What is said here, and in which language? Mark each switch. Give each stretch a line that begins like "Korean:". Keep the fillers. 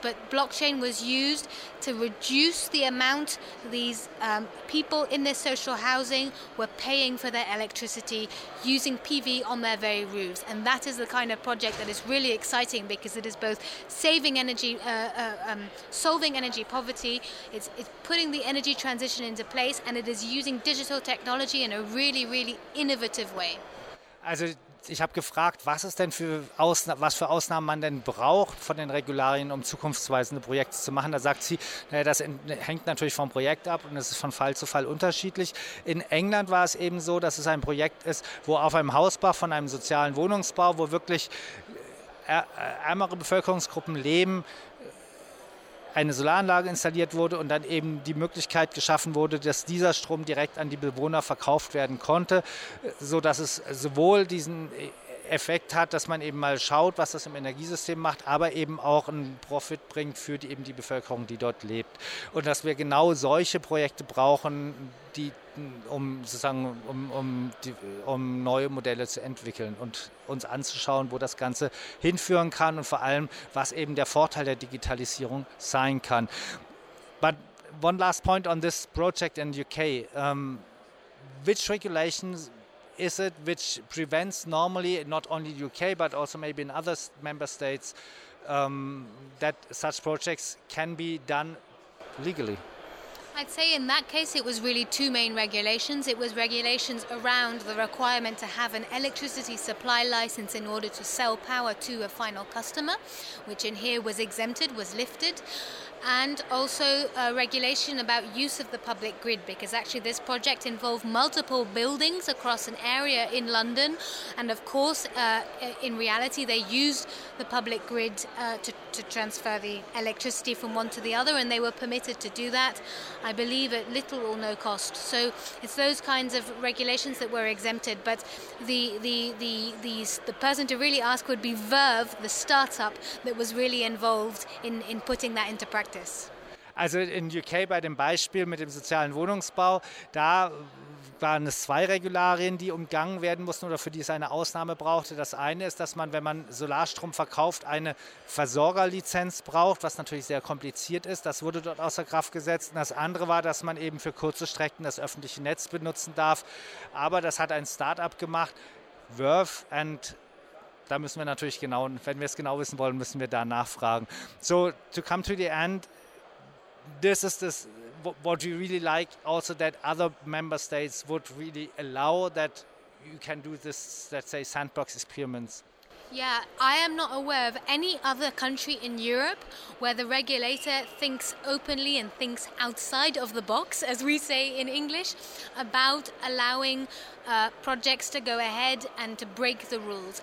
English: But blockchain was used to reduce the amount these um, people in their social housing were paying for their electricity using PV on their very roofs. And that is the kind of project that is really exciting because it is both saving energy, uh, um, solving energy poverty, it's, it's putting the energy transition into place, and it is using digital technology in a really, really innovative way.
German: Also ich habe gefragt, was es denn für Ausna was für Ausnahmen man denn braucht von den Regularien, um zukunftsweisende Projekte zu machen. Da sagt sie, naja, das hängt natürlich vom Projekt ab und es ist von Fall zu Fall unterschiedlich. In England war es eben so, dass es ein Projekt ist, wo auf einem Hausbau von einem sozialen Wohnungsbau, wo wirklich ärmere Bevölkerungsgruppen leben, eine Solaranlage installiert wurde und dann eben die Möglichkeit geschaffen wurde, dass dieser Strom direkt an die Bewohner verkauft werden konnte, so dass es sowohl diesen Effekt hat, dass man eben mal schaut, was das im Energiesystem macht, aber eben auch einen Profit bringt für die, eben die Bevölkerung, die dort lebt. Und dass wir genau solche Projekte brauchen, die, um sozusagen um, um, die, um neue Modelle zu entwickeln und uns anzuschauen, wo das Ganze hinführen kann und vor allem, was eben der Vorteil der Digitalisierung sein kann.
English: But one last point on this project in UK. Um, which regulations is it which prevents normally not only UK but also maybe in other member states um, that such projects can be done legally? I'd say in that case it was really two main regulations. It was regulations around the requirement to have an electricity supply license in order to sell power to a final customer, which in here was exempted, was lifted and also a regulation about use of the public grid because actually this project involved multiple buildings across an area in London and of course uh, in reality they used the public grid uh, to, to, transfer the electricity from one to the other and they were permitted to do that I believe at little or no cost so it's those kinds of regulations that were exempted but the the the, the, the person to really ask would be Verve the startup that was really involved in, in putting that into practice
German: Also in UK bei dem Beispiel mit dem sozialen Wohnungsbau, da waren es zwei Regularien, die umgangen werden mussten oder für die es eine Ausnahme brauchte. Das eine ist, dass man, wenn man Solarstrom verkauft, eine Versorgerlizenz braucht, was natürlich sehr kompliziert ist. Das wurde dort außer Kraft gesetzt. Und das andere war, dass man eben für kurze Strecken das öffentliche Netz benutzen darf. Aber das hat ein Start-up gemacht, Verve and da müssen wir natürlich genau, wenn wir es genau wissen wollen, müssen wir da nachfragen.
English: So, to come to the end, this is this, what we really like also that other member states would really allow that you can do this, let's say, sandbox experiments. Yeah, I am not aware of any other country in Europe where the regulator thinks openly and thinks outside of the box, as we say in English, about allowing uh, projects to go ahead and to break the rules.